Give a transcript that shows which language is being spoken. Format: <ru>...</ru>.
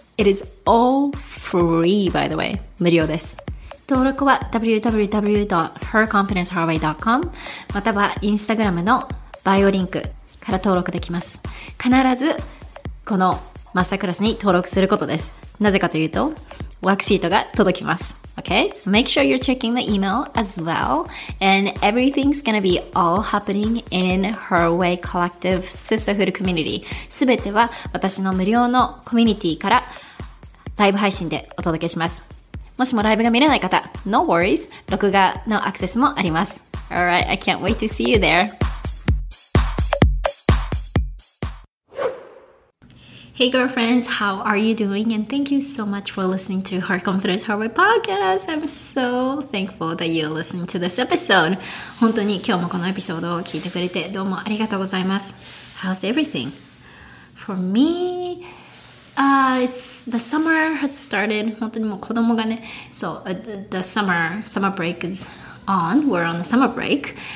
<en>It is all free, by the way.</en> <ja>無料です。登録は www.herconfidenceherway.com またはインスタグラムのバイオリンクから登録できます。必ずこのマスタークラスに登録することです。なぜかというと、ワークシートが届きます。</ja> <en>Okay? So make sure you're checking the email as well. And everything's gonna be all happening in Her Way Collective Sisterhood Community.</en> <ja>すべては私の無料のコミュニティからライブ配信でお届けします。もしもライブが見れない方、</ja> <en>No worries!</en> <ja>録画のアクセスもあります。</ja> <en>Alright, I can't wait to see you there! Hey girlfriends, how are you doing? And thank you so much for listening to Her Confidence Her Way podcast. I'm so thankful that you're listening to this episode.</en> <ja>本当に今日もこのエピソードを聞いてくれてどうもありがとうございます。</ja> <en>How's everything? For me, it's the summer has started.</en> <ja>本当にもう子供がね、</ja> <en>so the summer break is on. We're on the summer break.</en>